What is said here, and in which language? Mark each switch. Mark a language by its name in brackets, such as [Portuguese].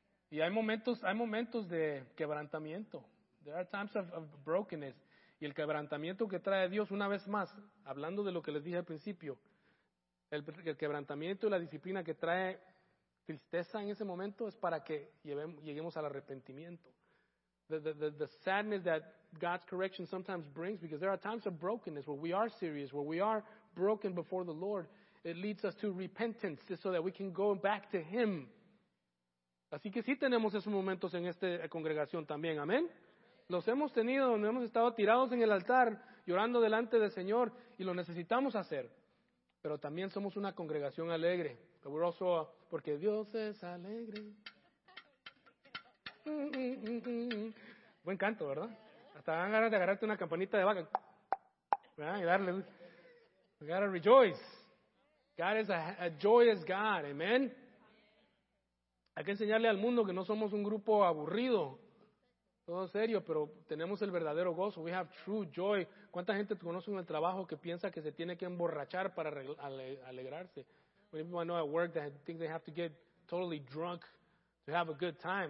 [Spanish] Y hay momentos de quebrantamiento. [English] There are times of brokenness. [Spanish] Y el quebrantamiento que trae Dios, una vez más, hablando de lo que les dije al principio, el quebrantamiento y la disciplina que trae tristeza en ese momento es para que lleguemos al arrepentimiento. [English] The sadness that God's correction sometimes brings, because there are times of brokenness where we are serious, where we are broken before the Lord, it leads us to repentance so that we can go back to Him. [Spanish] Así que sí tenemos esos momentos en esta congregación también, amén. Los hemos tenido, donde hemos estado tirados en el altar, llorando delante del Señor, y lo necesitamos hacer. Pero también somos una congregación alegre. [English] We're also a, [Spanish] porque Dios es alegre. Buen canto, ¿verdad? Hasta dan ganas de agarrarte una campanita de vaca. ¿Verdad? Y darle. [English] We gotta rejoice. God is a joyous God. Amen. [Spanish] Hay que enseñarle al mundo que no somos un grupo aburrido. Todo serio, pero tenemos el verdadero gozo. [English] We have true joy. [Spanish] ¿Cuánta gente te conoce en el trabajo que piensa que se tiene que emborrachar para alegrarse? [English] When people I know at work that think they have to get totally drunk to have a good time.